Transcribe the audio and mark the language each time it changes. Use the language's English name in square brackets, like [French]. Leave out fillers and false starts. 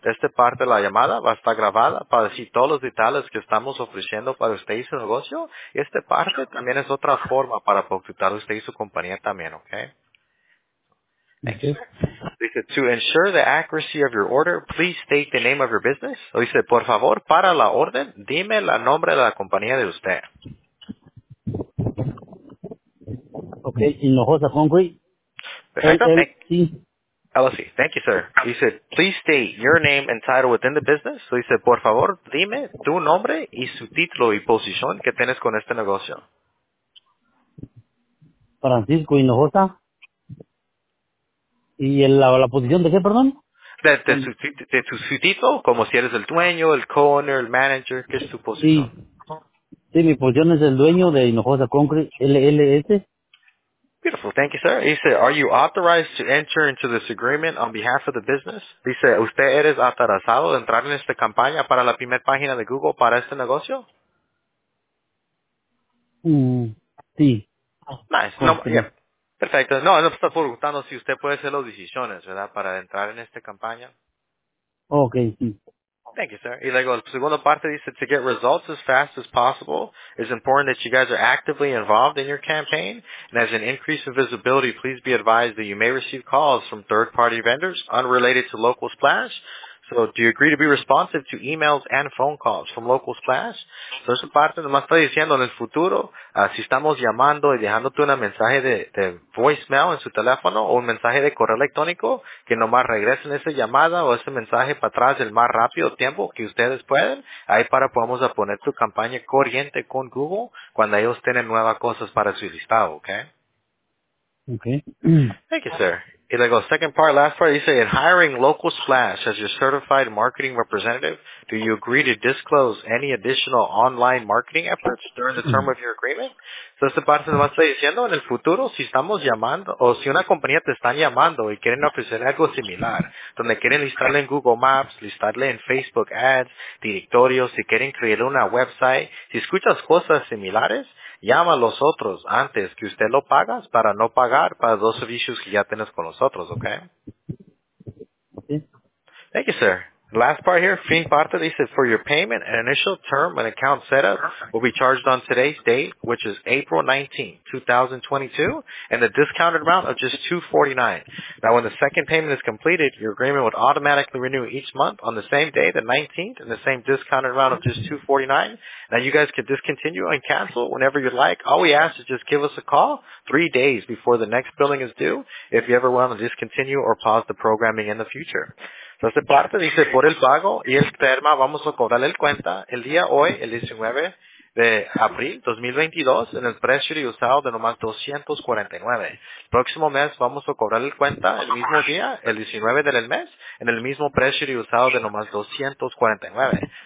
[Spanish] Esta parte de la llamada va a estar grabada para decir todos los detalles que estamos ofreciendo para usted y su negocio. Y esta parte también es otra forma para proyectar usted y su compañía también, ¿ok? [English] Thank you. He said, to ensure the accuracy of your order, please state the name of your business. He said, [Spanish] por favor, para la orden, dime la nombre de la compañía de usted. [English] Okay, Hinojosa Concrete. [Spanish] Perfecto. [English] LLC. Thank you, sir. He said, please state your name and title within the business. So he said, [Spanish] por favor, dime tu nombre y su título y posición que tienes con este negocio. Francisco Hinojosa. ¿Y la posición de qué, perdón? De su título, como si eres el dueño, el co-owner, el manager, ¿qué es tu posición? Sí, mi posición es el dueño de Hinojosa Concrete, LLC. [English] Beautiful, thank you, sir. He said, are you authorized to enter into this agreement on behalf of the business? [Spanish] Dice, ¿usted eres autorizado de entrar en esta campaña para la primera página de Google para este negocio? Sí. [English] Nice. No, yeah. [Spanish] Perfecto. No, no está preguntando si usted puede hacer las decisiones, ¿verdad?, para entrar en esta campaña. Okay, sí. [English] Thank you, sir. [Spanish] Y luego, la segunda parte dice, [English] to get results as fast as possible, it's important that you guys are actively involved in your campaign, and as an increase in visibility, please be advised that you may receive calls from third-party vendors unrelated to Local Splash. So, do you agree to be responsive to emails and phone calls from Local Splash? [Spanish] So, esa parte nomás está diciendo, en el futuro, si estamos llamando y dejándote un mensaje de voicemail en su teléfono o un mensaje de correo electrónico, que nomás regresen esa llamada o ese mensaje para atrás el más rápido tiempo que ustedes pueden, ahí para podamos poner tu campaña corriente con Google cuando ellos tienen nuevas cosas para su listado, ¿ok? Ok. [English] Thank you, sir. [Spanish] Y luego, [English] second part, last part, you say, in hiring Local Splash as your certified marketing representative, do you agree to disclose any additional online marketing efforts during the term of your agreement? [Spanish] So, esta parte nomás está diciendo, en el futuro, si estamos llamando, o si una compañía te está llamando y quieren ofrecer algo similar, donde quieren listarle en Google Maps, listarle en Facebook Ads, directorios, si quieren crear una website, si escuchas cosas similares, llama a los otros antes que usted lo pagas para no pagar para dos servicios que ya tienes con nosotros, ¿ok? [English] Thank you, sir. Last part here, [Spanish] fin parte, dice, [English] for your payment, an initial term and account setup will be charged on today's date, which is April 19, 2022, and the discounted amount of just $249. Now, when the second payment is completed, your agreement would automatically renew each month on the same day, the 19th, and the same discounted amount of just $249. Now, you guys can discontinue and cancel whenever you'd like. All we ask is just give us a call 3 days before the next billing is due if you ever want to discontinue or pause the programming in the future. [Spanish] So, esta parte dice, por el pago y el perma, vamos a cobrarle el cuenta el día hoy, el 19 de abril 2022, en el precio de usado de nomás $249. El próximo mes, vamos a cobrarle el cuenta el mismo día, el 19 del mes, en el mismo precio de usado de nomás $249.